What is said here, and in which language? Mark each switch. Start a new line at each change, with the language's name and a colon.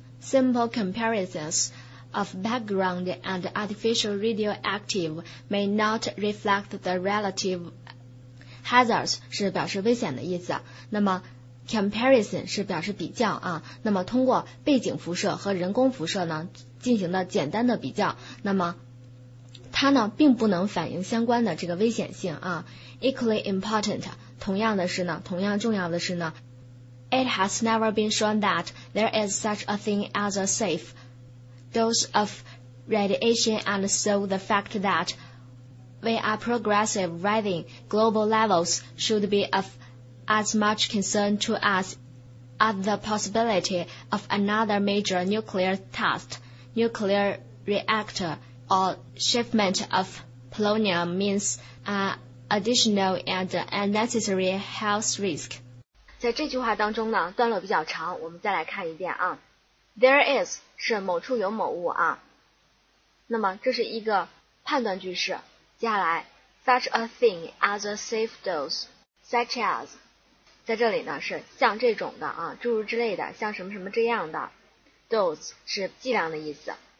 English: Simple comparisons of background and artificial radioactive may not reflect the relative hazards
Chinese: 是表示危险的意思。那么 comparison 是表示比较啊，那么通过背景辐射和人工辐射呢进行的简单的比较，那么它呢并不能反映相关的这个危险性啊。
English: Equally important,
Chinese: 同样的是呢，同样重要的是呢
English: ，It has never been shown that there is such a thing as a safe dose of radiation, and so the fact that we are progressive rising global levels should be of as much concern to us as the possibility of another major nuclear test, nuclear reactor, or shipment of polonium means additional and unnecessary health risk.
Chinese: 在这句话当中呢，段落比较长，我们再来看一遍啊。 There is 是某处有某物啊。那么这是一个判断句式。接下来 ，
English: such a thing as a safe dose,
Chinese: such as， 在这里呢是像这种的啊，诸如之类的，像什么什么这样的 dose 是剂量的意思。